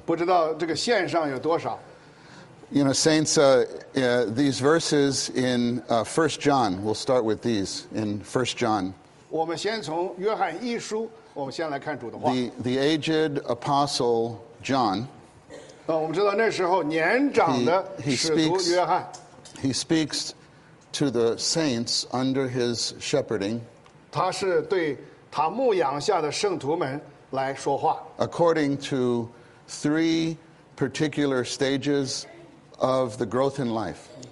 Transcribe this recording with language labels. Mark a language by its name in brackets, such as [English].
[Chinese] 不知道这个线上有多少。 [English] You know, saints, these verses in 1 John, we'll start with these in 1 John. [Chinese] 我们先从约翰一书, 我们先来看主的话。 [English] The aged apostle John, he speaks to the saints under his shepherding. [Chinese] 他是对他牧养下的圣徒们来说话。 [English] According to three particular stages of the growth in life.